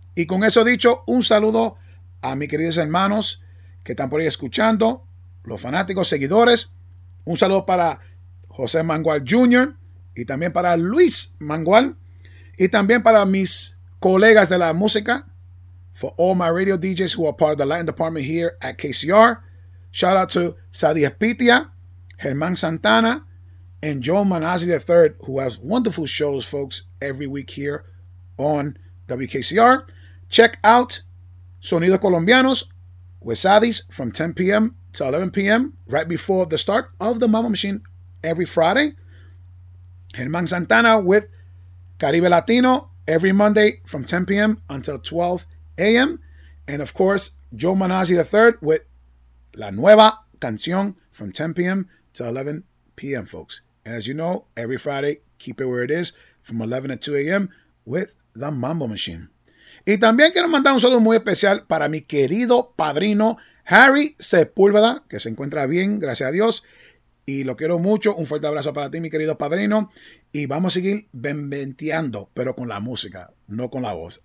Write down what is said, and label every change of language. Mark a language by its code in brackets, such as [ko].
[es] Y con eso dicho, un saludo a mis queridos hermanos que están por ahí escuchando, los fanáticos, seguidores. Un saludo para José Mangual Jr. y también para Luis Mangual. Y también para mis colegas de la música. [en] For all my radio DJs who are part of the Latin department here at KCR. Shout out to Sadie Espitia, Germán Santana, and Joe Manazzi III, who has wonderful shows, folks, every week here on WKCR. Check out Sonidos Colombianos with Sadie's from 10 p.m. to 11 p.m., right before the start of the Mambo Machine every Friday. Germán Santana with Caribe Latino every Monday from 10 p.m. until 12 a.m. And, of course, Joe Manazzi III with La Nueva Canción from 10 p.m. to 11 p.m., folks. As you know, every Friday, keep it where it is, from 11 to 2 a.m. with the Mambo Machine. [es] Y también quiero mandar un saludo muy especial para mi querido padrino, Harry Sepúlveda, que se encuentra bien, gracias a Dios. Y lo quiero mucho. Un fuerte abrazo para ti, mi querido padrino. Y vamos a seguir benventeando, pero con la música, no con la voz.